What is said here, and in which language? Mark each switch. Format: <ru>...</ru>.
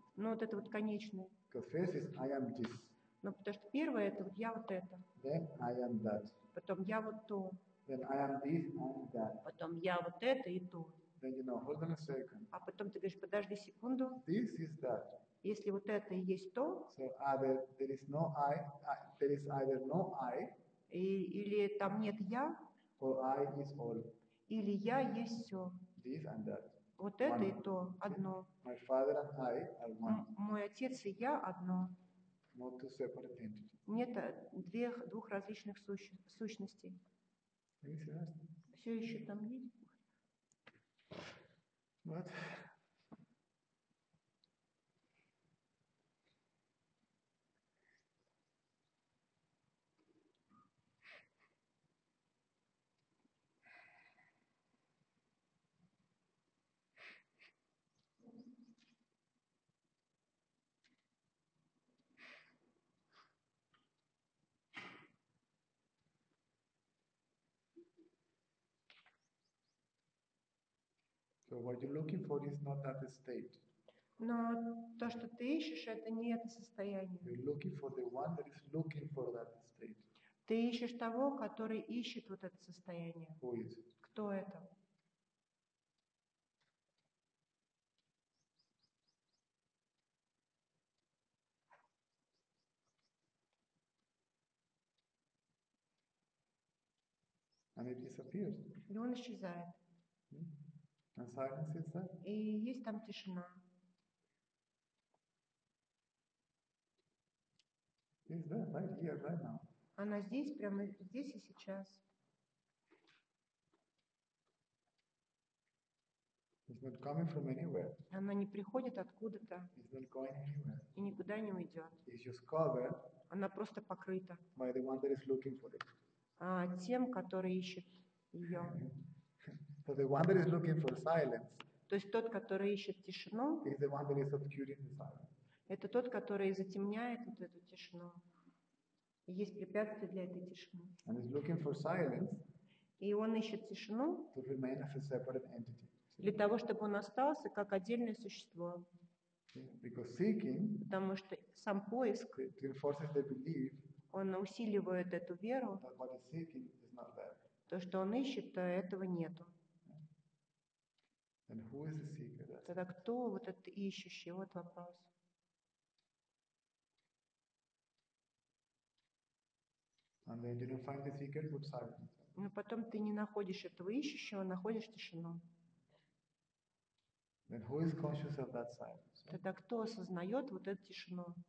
<ru>Ну вот это вот конечное.</ru> <en>Because first is I am this.</en> <ru>Ну потому что первое это вот я вот это.</ru> <en>Then I am that.</en> <ru>Потом я вот то.</ru> <en>Then I am this and that.</en> <ru>Потом я вот это и то.</ru> <en>Then you know, hold on a second.</en> <ru>А потом ты говоришь, подожди секунду.</ru> <en>This is that.</en> <ru>Если вот это и есть то.</ru> <en>So either there is no I, there is either no I.</en> <ru>Или там нет я.</ru> <en>Or I is all.</en> <ru>Или я есть все.</ru> <en>This and that.</en> <ru>Вот это one. И то одно.</ru> <en>My father and I are one.</en> <ru>Мой отец и я одно.</ru> <en>Not two separate entities.</en> <ru>Нет двух различных сущностей. Все еще там есть.</ru> <en>What? So what you're looking for is not that state.</en> <ru>Но то, что ты ищешь, это не это состояние.</ru> <en>You're looking for the one that is looking for that state.</en> <ru>Ты ищешь того, который ищет вот это состояние.</ru> <en>Who is?</en> <ru>Кто это?</ru> <en>And it disappears.</en> <ru>И он исчезает.</ru> <en>And silence is there.</en> <ru>И есть там тишина.</ru> <en>It's there, right here, right now.</en> <ru>Она здесь, прямо здесь и сейчас.</ru> <en>It's not coming from anywhere.</en> <ru>Она не приходит откуда-то.</ru> <en>It's not going anywhere.</en> <ru>И никуда не уйдет.</ru> <en>It's just covered.</en> <ru>Она просто покрыта.</ru> <en>By the one that is looking for it.</en> <ru>Тем, который ищет ее.</ru> <en>So the one that is looking for silence.</en> <ru>То есть тот, который ищет тишину.</ru> <en>Is the one that is obscuring the silence.</en> <ru>Это тот, который затемняет вот эту тишину. Есть препятствие для этой тишины.</ru> <en>And is looking for silence.</en> <ru>И он ищет тишину.</ru> <en>To remain as a separate entity.</en> <ru>Для того, чтобы он остался как отдельное существо.</ru> <en>Because seeking.</en> <ru>Потому что сам поиск.</ru> <en>To enforce the belief.</en> <ru>Он усиливает эту веру.</ru> <en>That what is seeking is not there.</en> <ru>То, что он ищет, то этого нету.</ru> <en>And who is the seeker, that's...</en> <ru>Тогда кто вот этот ищущий? Вот вопрос.</ru> <en>And then you don't find the seeker, but silence.</en> <ru>Но потом ты не находишь этого ищущего, находишь тишину.</ru> <en>Then who is conscious of that silence?</en> <ru>Тогда кто осознает вот эту тишину?</ru>